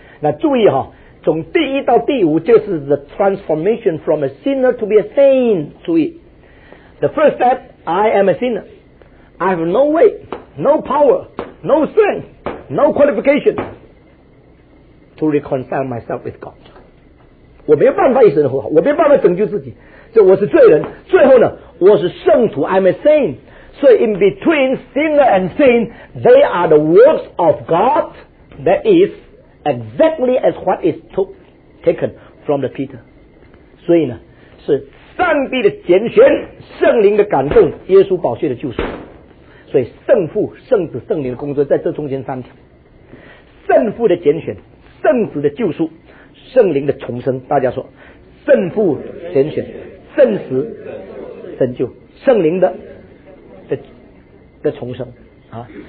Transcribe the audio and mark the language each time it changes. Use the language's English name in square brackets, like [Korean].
[Chinese] 那注意哈，从第一到第五就是 [English] the transformation from a sinner to be a saint。 [Chinese] 注意 [English] the first step I am a sinnerI have no way, no power, no strength, no qualification to reconcile myself with God. [Chinese] 我没有办法一生和好，我没有办法拯救自己，所以我是罪人。最后呢，我是圣徒 ， [English] I'm a saint. So in between sinner and saint, they are the works of God that is exactly as what is taken from the Peter. [Chinese] 所以呢，是上帝的拣选，圣灵的感动，耶稣宝血的救赎。所以圣父圣子圣灵的工作在这中间三条，圣父的拣选，圣子的救赎，圣灵的重生。大家说，圣父拣选，圣子拯救，圣灵 的重生啊。